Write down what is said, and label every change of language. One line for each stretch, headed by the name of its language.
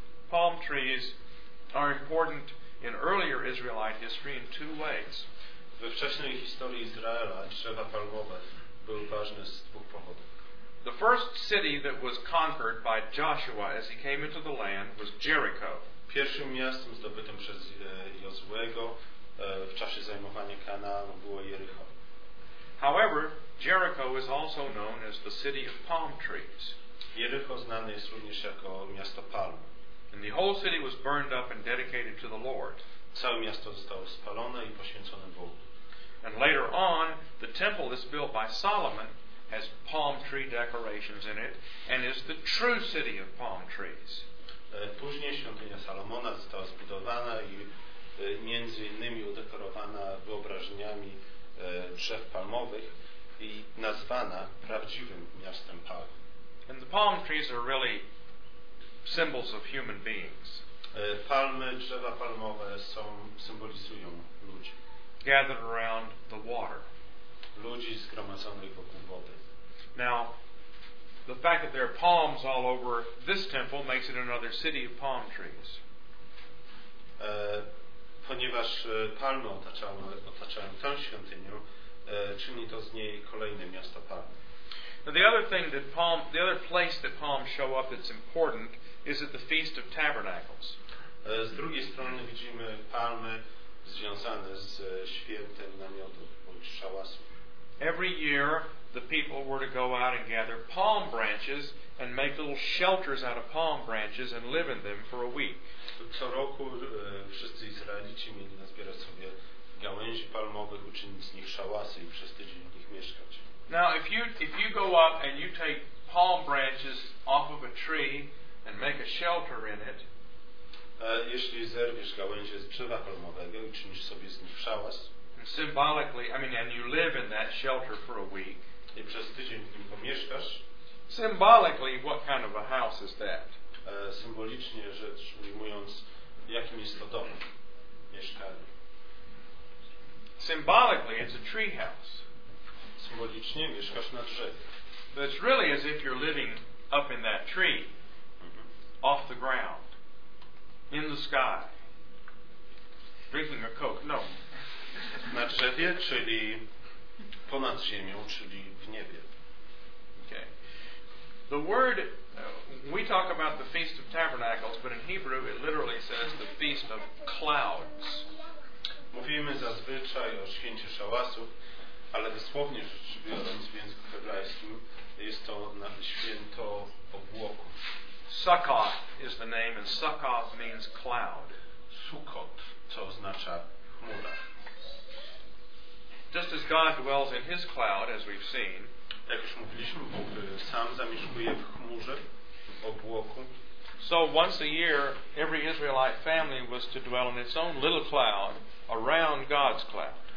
English: Palm trees are important in earlier Israelite history in two ways.
Polish: We wcześniej historii Izraela drzewa palmowe były ważne z dwóch powodów.
English: The first city that was conquered by Joshua as he came into the land was Jericho.
Polish: Pierwszym miastem zdobytym przez Jozuego w czasie zajmowania Kanaanu było Jerycho.
English: However, Jericho is also known as the city of palm trees.
Polish: Jerycho znane jest również jako miasto palm.
English: And the whole city was burned up and dedicated to the Lord.
Polish: Całe miasto zostało spalone i poświęcone Bogu.
English: And later on, the temple is built by Solomon has palm tree decorations in it and is the true city of palm trees.
Polish: Później świątynia Salomona została zbudowana i między innymi udekorowana wyobrażeniami drzew palmowych i nazwana prawdziwym miastem palm.
English: And the palm trees are really symbols of human beings.
Polish: Palmy, drzewa palmowe są, symbolizują ludzi.
English: Gathered around the water.
Polish: Ludzi zgromadzonych wokół wody.
English: Now, the fact that there are palms all over this temple makes it another city of palm trees.
Polish: Ponieważ palmy otaczają tę świątynię, czyni to z niej kolejne miasto palm.
English: Now, the other place that palms show up that's important is at the Feast of Tabernacles.
Polish: Z drugiej strony widzimy palmy związane z świętem namiotu bądź szałasu.
English: Every year, the people were to go out and gather palm branches and make little shelters out of palm branches and live in them for a week.
Polish: Co roku wszyscy Izraelici mieli nazbierać sobie gałęzi palmowych, uczynić z nich szałasy i przez tydzień w nich mieszkać.
English: Now, if you go up and you take palm branches off of a tree and make a shelter in it,
Polish: jeśli zerwiesz gałęzie z drzewa palmowego i uczynisz sobie z nich szałas,
English: symbolically, I mean, and you live in that shelter for a week.
Polish: I przez tydzień w nim pomieszkasz.
English: Symbolically, what kind of a house is that?
Polish: Symbolicznie rzecz ujmując, jakim jest to dom, mieszkanie.
English: Symbolically, it's a tree house.
Polish: Symbolicznie mieszkasz na drzewie.
English: But it's really as if you're living up in that tree, off the ground, in the sky, drinking a Coke. No.
Polish: Na drzewie, czyli ponad ziemią, czyli w niebie. Okay.
English: The word, we talk about the Feast of Tabernacles, but in Hebrew it literally says the Feast of Clouds.
Polish: Mówimy zazwyczaj o święcie szałasów, ale dosłownie rzecz biorąc w języku hebrajskim jest to święto obłoków.
English: Sukkot is the name and Sukkot means cloud.
Polish: Sukkot, co oznacza chmura.
English: Just as God dwells in his cloud, as we've seen,
Polish: jak już mówiliśmy, Bóg sam zamieszkuje w chmurze, obłoku.
English: So once a year, every Israelite family was to dwell in its own little cloud around God's cloud.